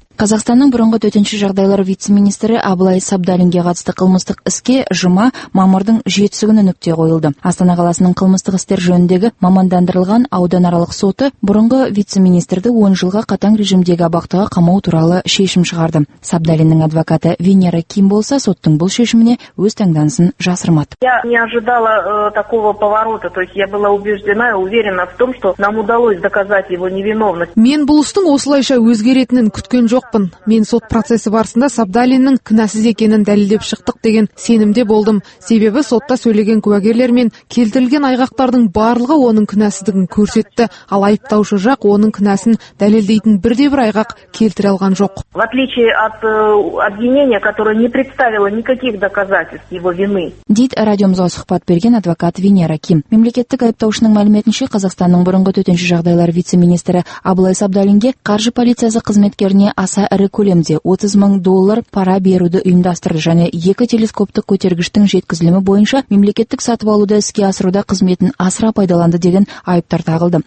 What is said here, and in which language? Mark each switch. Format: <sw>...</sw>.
<kk>Қазақстанның бұрынғы төтенше жағдайлар вице-министрі Абылай Сабдалинге қатысты қылмыстық іске жұма мамырдың 7-сі күні нүкте қойылды. Астана қаласының қылмыстық істер жөніндегі мамандандырылған ауданаралық соты бұрынғы вице-министрді 10 жылға қатаң режимдегі абақтыға қамау туралы шешім шығарды. Сабдалиннің адвокаты Венера Ким болса, соттың бұл шешіміне өз таңданысын жасырмады.</kk> <ru>Я не ожидала такого поворота, то есть я была убеждена, уверена в том, что нам удалось доказать его невиновность.</ru> <kk>Мен бұл істің осылайша өзгеретінін күткен жоқпын. Мен сот процесі барысында Сабдалиннің кінәсіз екенін дәлелдеп шықтық деген сенімде болдым. Себебі сотта сөйлеген куәгерлер мен келтірілген айғақтардың барлығы оның кінәсіздігін көрсетті. Ал айыптаушы жақ оның кінәсін дәлелдейтін бірде-бір айғақ келтіре алған жоқ.</kk> <ru>В отличие от обвинения, которое не представило никаких доказательств его вины.</ru> <kk>Дит радиомызға сұхбат берген адвокат Венера Ким. Мемлекеттік айыптаушының мәліметінше, Қазақстанның бұрынғы төтенше жағдайлар вице-министрі Абылай Сабдалинге қаржы полициясы қызметкерін аса ірі көлемде 30 мың доллар пара беруді ұйымдастырды және екі телескоптық көтергіштің жеткізілімі бойынша мемлекеттік сатып алуды іске асыруда қызметін асыра пайдаланды деген айыптар тағылды.</kk>